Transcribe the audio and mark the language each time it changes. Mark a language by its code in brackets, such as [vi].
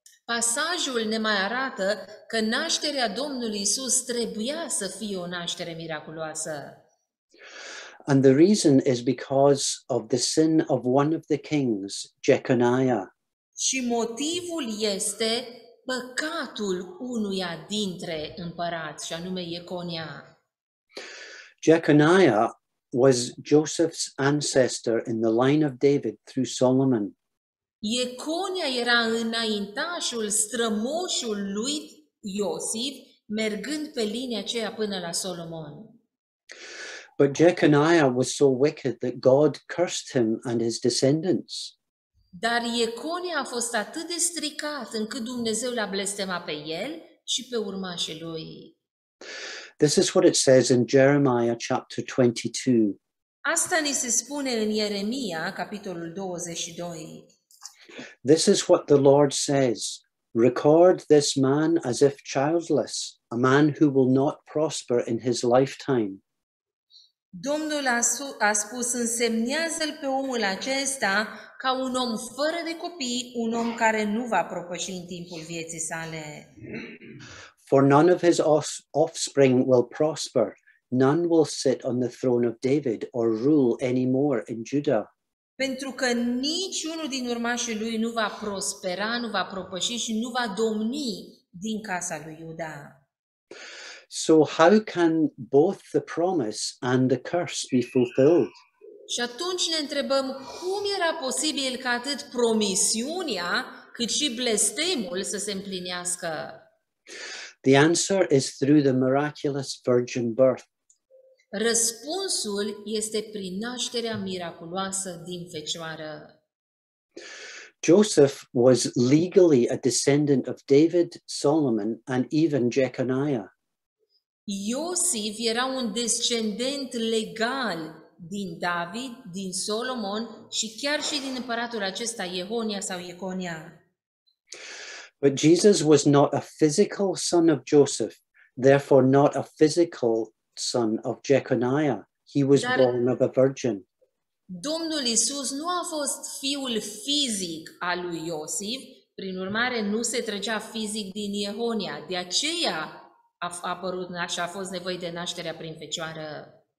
[ro] Pasajul ne mai arată că nașterea Domnului Iisus trebuia să fie o naștere miraculoasă. [en] And the reason is because of the sin of one of the kings, Jeconiah. [ro] Și motivul este păcatul unuia dintre împărați, și anume Iconia. [en] Jeconiah was Joseph's ancestor in the line of David through Solomon. [ro] Iconia era înaintașul, strămoșul lui Iosif, mergând pe linia aceea până la Solomon. [en] But Jeconiah was so wicked that God cursed him and his descendants. [ro] Dar Iconia a fost atât de stricat încât Dumnezeu l-a blestemat pe el și pe urmașii lui. [en] This is what it says in Jeremiah chapter 22. [ro] Asta ni se spune în Ieremia capitolul 22. [en] This is what the Lord says. Record this man as if childless, a man who will not prosper in his lifetime. [ro] Domnul a spus, însemnează-l pe omul acesta ca un om fără de copii, un om care nu va propăși în timpul vieții sale. [en] For none of his offspring will prosper. None will sit on the throne of David or rule any more in Judah. [ro] Pentru că niciunul din urmașii lui nu va prospera, nu va propăși și nu va domni din casa lui Iuda. [en] So how can both the promise and the curse be fulfilled? [ro] Și atunci ne întrebăm cum era posibil ca atât promisiunea, cât și blestemul să se împlinească. [en] The answer is through the miraculous virgin birth. [ro] Răspunsul este prin nașterea miraculoasă din fecioară. [en] Joseph was legally a descendant of David, Solomon and even Jeconiah. [ro] Iosif era un descendent legal din David, din Solomon și chiar și din împăratul acesta Iehonia sau Iconia. [en] But Jesus was not a physical son of Joseph, therefore not a physical son of Jeconiah. He was born of a virgin. [ro] Domnul Iisus nu a fost fiul fizic al lui Iosif, prin urmare nu se trăgea fizic din Iehonia. De aceea a apărut și a fost nevoie de nașterea prin fecioară.